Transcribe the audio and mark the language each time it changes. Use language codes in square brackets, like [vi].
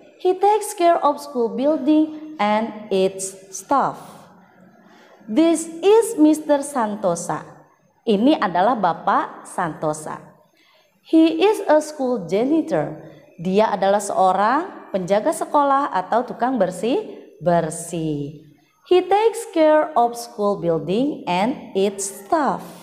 [en] He takes care of school building and its staff. This is Mr. Santosa. [id] Ini adalah Bapak Santosa. [en] He is a school janitor. [id] Dia adalah seorang penjaga sekolah atau tukang bersih-bersih. [en] He takes care of school building and its staff.